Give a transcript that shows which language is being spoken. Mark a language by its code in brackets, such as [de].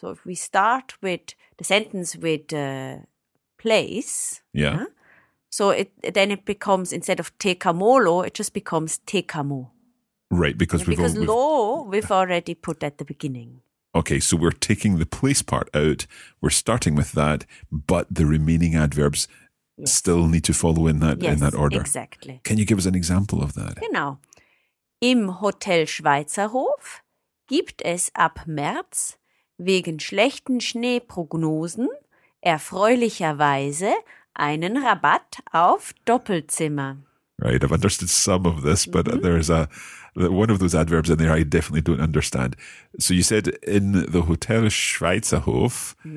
[en] So if we start with the sentence with place, so it becomes, instead of tekamolo, it just becomes tekamo. Right, because we've already put at the beginning. Okay, so we're taking the place part out, we're starting with that, but the remaining adverbs still need to follow in that order. Exactly. Can you give us an example of that? [de] Genau. Im Hotel Schweizerhof gibt es ab März wegen schlechten Schneeprognosen erfreulicherweise einen Rabatt auf Doppelzimmer. [en] Right, I've understood some of this, but there's one of those adverbs in there I definitely don't understand. So you said in the Hotel Schweizerhof,